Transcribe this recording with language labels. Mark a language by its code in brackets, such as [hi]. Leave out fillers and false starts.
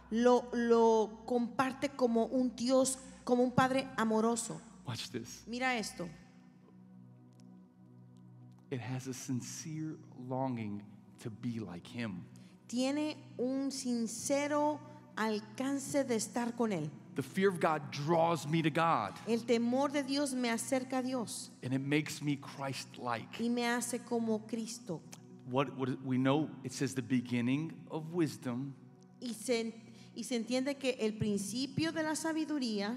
[es] Lo comparte como un Dios, como un padre amoroso. [en] Watch this. [es] Mira esto. [en] It has a sincere longing to be like him. [es] Tiene un sincero alcance de estar con él. [en] The fear of God draws me to God. [es] El temor de Dios me acerca a Dios. [en] And it makes me Christ-like. [es] Y me hace como Cristo. [en] What we know, it says the beginning of wisdom. [es] Y se entiende que el principio de la sabiduría